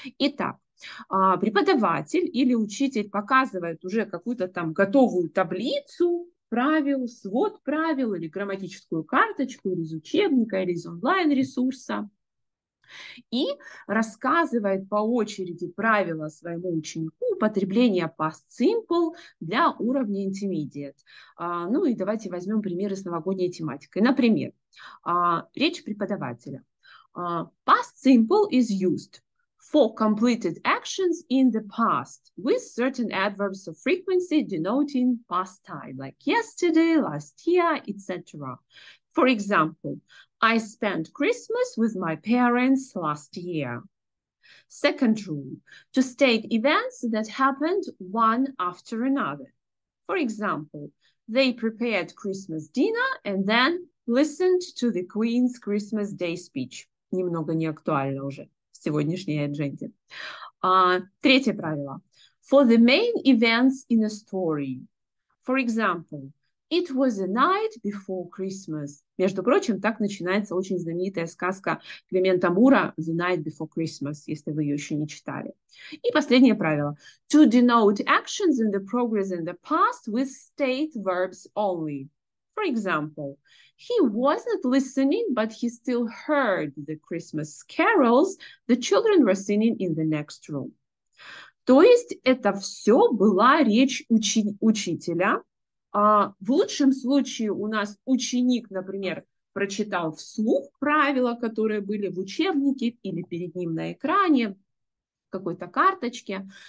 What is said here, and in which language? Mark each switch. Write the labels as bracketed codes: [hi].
[ru] Итак, преподаватель или учитель показывает уже какую-то там готовую таблицу правил, свод правил или грамматическую карточку или из учебника или из онлайн-ресурса и рассказывает по очереди правила своему ученику употребления Past Simple для уровня Intermediate. Ну и давайте возьмем примеры с новогодней тематикой. Например, речь преподавателя. [en] Past Simple is used for completed actions in the past with certain adverbs of frequency denoting past time, like yesterday, last year, etc. For example, I spent Christmas with my parents last year. Second rule, to state events that happened one after another. For example, they prepared Christmas dinner and then listened to the Queen's Christmas Day speech. [ru] Немного не актуально уже в сегодняшней адженде. Третье правило. [en] For the main events in a story. For example, it was a night before Christmas. [ru] Между прочим, так начинается очень знаменитая сказка Климента Мура «The Night Before Christmas», если вы ее еще не читали. И последнее правило. [en] To denote actions in the progress in the past with state verbs only. For example, he wasn't listening, but he still heard the Christmas carols the children were singing in the next room. [ru] То есть это все была речь учителя. В лучшем случае у нас ученик, например, прочитал вслух правила, которые были в учебнике или перед ним на экране, какой-то карточке.